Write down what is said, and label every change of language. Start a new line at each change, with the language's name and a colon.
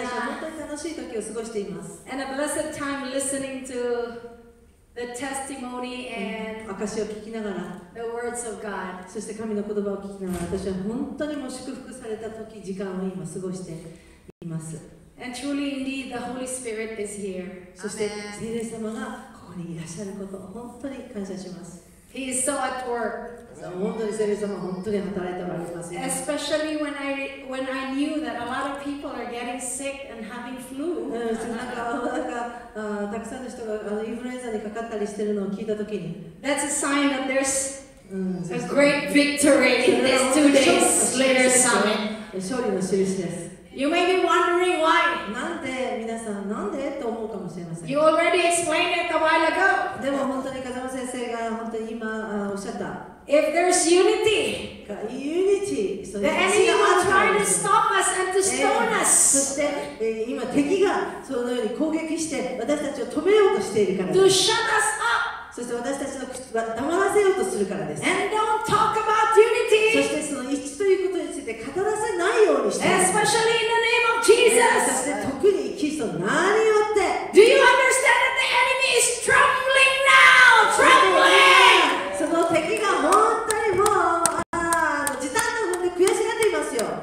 English: a blessed time listening to the testimony and the words of God.
Japanese: そして神の言葉を聞きながら、私は本当にも祝福された時、時間を今過ごしています。
English: And truly indeed the Holy Spirit is here.
Japanese: そして聖霊様がここにいらっしゃることを本当に感謝します。
English: He is so at work.
Japanese: 本当に聖霊様は本当に働いておられます。
English: Especially when I knew that a lot of people are getting sick and having flu.
Japanese: たくさんの人がインフルエンザにかかったりしてるのを聞いた時に、
English: That's a sign that there's a great victory in this 2 days later summit.
Japanese: 勝利の印です。
English: You may be wondering why.
Japanese: なんで皆さんなんでと思うかもしれません。
English: You already explained it a while ago.
Japanese: でも本当に風間先生が本当に今おっしゃった。
English: If there's unity, unity, the enemy will try to stop us and to stone us.
Japanese: そして今敵がそのように攻撃して私たちを止めようとしているからです。
English: To shut us up.
Japanese: そして私たちの口を黙らせようとするからです。
English: And don't talk about unity.
Japanese: そしてその一致ということについて語らせないようにして。
English: Especially in the name of Jesus.
Japanese: そして特にキリストの名によって。
English: Do you understand that the enemy is trembling now? Trembling.
Japanese: その敵が本当にもう時短の分で悔しがっていますよ。